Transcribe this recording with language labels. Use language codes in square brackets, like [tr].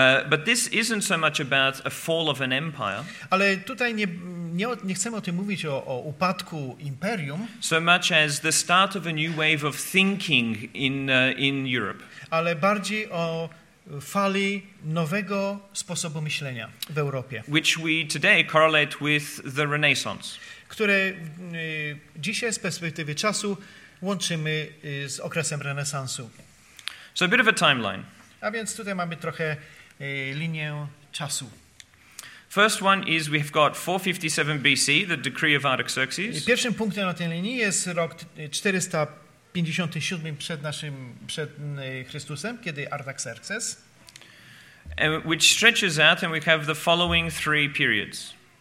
[en] But this isn't so much about a fall of an empire. [pl] Ale tutaj nie chcemy o tym mówić o upadku imperium. [en] So much as the start of a new wave of thinking in Europe. [pl] Ale bardziej o fali nowego sposobu myślenia w Europie. [en] Which we today correlate with the Renaissance. [pl] które dzisiaj z perspektywy czasu łączymy z okresem renesansu. [en] So a bit of a timeline. [pl] A więc tutaj mamy trochę linię czasu. [en] First one is we've got 457 BC, the decree of Artaxerxes. [pl] Pierwszym punktem na tej linii jest rok 457 przed naszym przed Chrystusem, kiedy Artaxerxes. [en] Which stretches out and we have the following three periods.